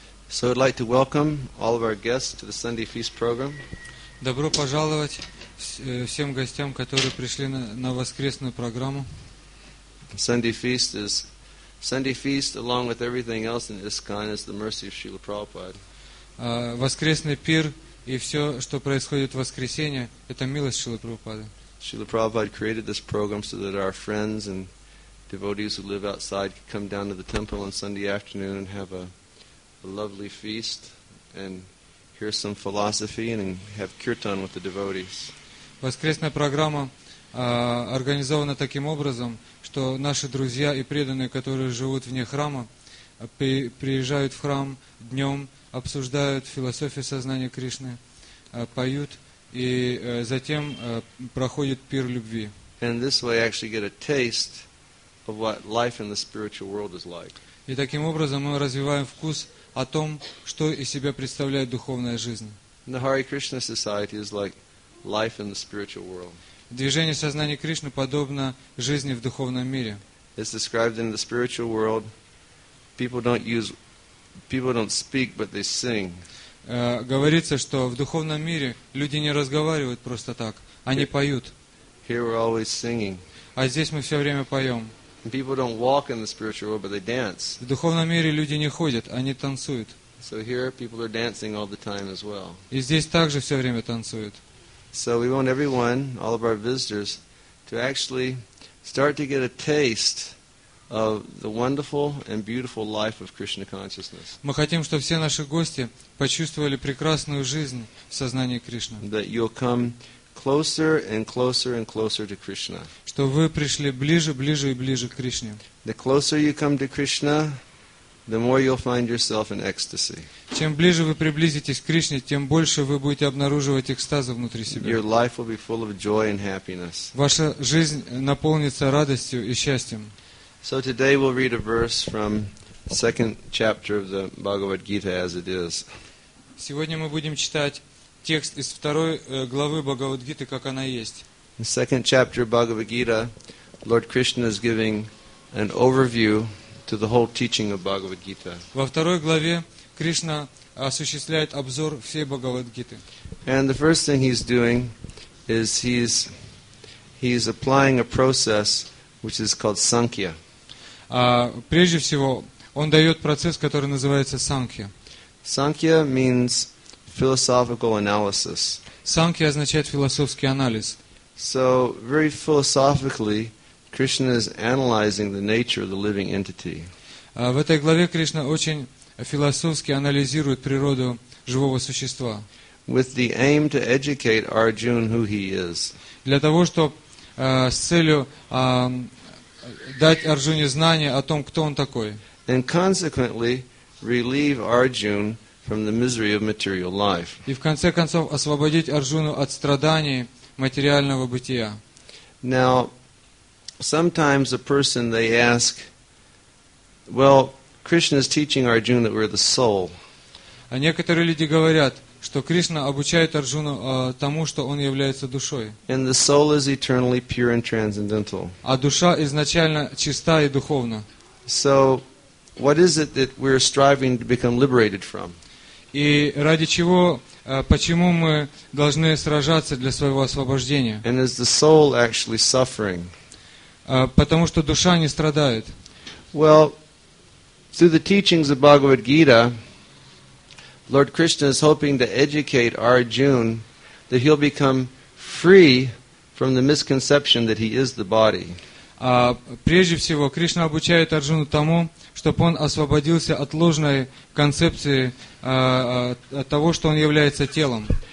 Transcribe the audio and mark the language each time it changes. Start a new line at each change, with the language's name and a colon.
English: So I'd like to welcome all of our guests to the Sunday Feast program.
Russian: Добро пожаловать всем гостям, которые пришли на воскресную программу.
English: Sunday Feast, along with everything else in ISKCON, is the mercy of Srila Prabhupada.
Russian: Воскресный пир и все, что происходит в воскресенье, это милость Шрилы Прабхупады.
English: Srila Prabhupada created this program so that our friends and devotees who live outside could come down to the temple on Sunday afternoon and have a lovely feast and hear some philosophy and have kirtan with the devotees.
Russian: Воскресная программа организована таким образом, что наши друзья и преданные, которые живут вне храма, приезжают в храм днем, обсуждают философию сознания Кришны, поют и затем проходит пир любви.
English: And this way actually get a taste of what life in the spiritual world is like.
Russian: И таким образом мы развиваем вкус о том, что из себя представляет духовная жизнь. Движение сознания Кришны подобно жизни в духовном мире.
English: It's described in the spiritual world, people don't speak, but they sing.
Russian: Говорится, что в духовном мире люди не разговаривают просто так, они поют.
English: Here we're always singing.
Russian: А здесь мы все время поем.
English: People don't walk in the spiritual world, but they dance.
Russian: В духовном мире люди не ходят, они танцуют.
English: So here people are dancing all the time as well.
Russian: И здесь также все время танцуют.
English: So we want everyone, all of our visitors, to actually start to get a taste of the wonderful and beautiful life of Krishna consciousness.
Russian: Мы хотим, чтобы все наши гости почувствовали прекрасную жизнь в сознании Кришны.
English: That you'll come closer and closer and closer to Krishna.
Russian: Что вы пришли ближе, ближе и ближе к Кришне.
English: The closer you come to Krishna, the more you'll find yourself in ecstasy.
Russian: Чем ближе вы приблизитесь к Кришне, тем больше вы будете обнаруживать экстаза внутри себя.
English: Your life will be full of joy and happiness.
Russian: Ваша жизнь наполнится радостью и счастьем.
English: So today we'll read a verse from second chapter of the Bhagavad Gita as it is.
Russian: Сегодня мы будем читать текст из второй главы Бхагавад Гиты, как она есть.
English: In second chapter of Bhagavad Gita, Lord Krishna is giving an overview to the whole teaching of Bhagavad Gita.
Russian: Во второй главе Кришна осуществляет обзор всей Бхагавад Гиты.
English: And the first thing he's doing is he's applying a process which is called Sankhya.
Russian: Прежде всего, он дает процесс, который называется Sankhya.
English: Sankhya means philosophical analysis.
Russian: Sankhya означает философский анализ.
English: So, very philosophically, Krishna is analyzing the nature of the living entity.
Russian: В этой главе Кришна очень философски анализирует природу живого существа.
English: With the aim to educate Arjuna who he is.
Russian: Для того, чтобы с целью дать Арджуне знание о том, кто он такой.
English: And consequently, relieve Arjuna from the misery of material life.
Russian: И в конце концов освободить Арджуну от страданий материального бытия.
English: Now, sometimes a person they ask, well, Krishna is teaching Arjuna that we're the soul.
Russian: А некоторые люди говорят, что Кришна обучает Арджуну тому, что он является душой.
English: And the soul is eternally pure and transcendental.
Russian: А душа изначально чиста и духовна.
English: So, what is it that we're striving to become liberated from?
Russian: И ради чего, почему мы должны сражаться для своего освобождения?
English: And is the soul actually suffering?
Russian: Потому что душа не страдает.
English: Well, through the teachings of Bhagavad Gita, Lord Krishna is hoping to educate Arjuna that he'll become free from the misconception that he is the body.
Russian: Прежде всего, Кришна обучает Арджуну тому, чтобы он освободился от ложной концепции того, что он является телом.